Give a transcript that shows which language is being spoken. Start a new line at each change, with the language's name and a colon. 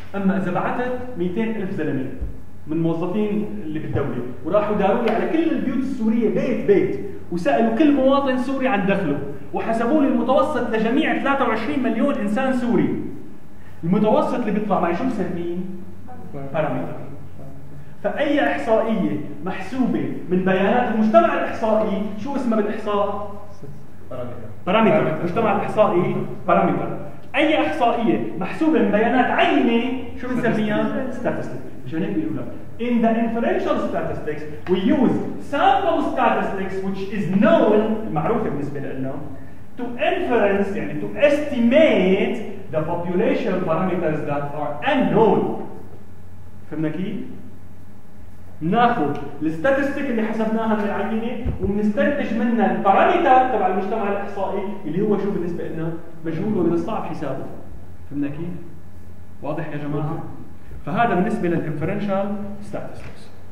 Arabic: أما إذا بعثت 200,000 زلمة من موظفين اللي بالدولة وراحوا داروا لي على كل البيوت السورية بيت بيت وسألوا كل مواطن سوري عن دخله وحسبوا لي المتوسط لجميع 23 مليون إنسان سوري، المتوسط اللي بيطلع معي شو بسميه؟ باراميتر. فأي إحصائية محسوبة من بيانات المجتمع الإحصائي شو اسمها بالإحصاء؟ باراميتر. باراميتر. مجتمع الإحصائي باراميتر. اي احصائيه محسوبه من بيانات عينه شو بنسميها؟ ستاتستيك. عشان هيك بيقول لك
English: in the inferential statistics we use sample statistics which is known
Arabic: معروفه بالنسبه لنا
English: to inference
Arabic: يعني
English: to estimate the population parameters that are unknown.
Arabic: فهمنا كيف؟ ناخذ الستاتستيك اللي حسبناها من العينة ونستنتج منها الباراميتر تبع المجتمع الإحصائي اللي هو شو بالنسبة لنا مجهول ومن الصعب حسابه. فهمنا كيف؟ واضح يا جماعة؟ فهذا بالنسبة للإنفرنشال ستاتستيكس.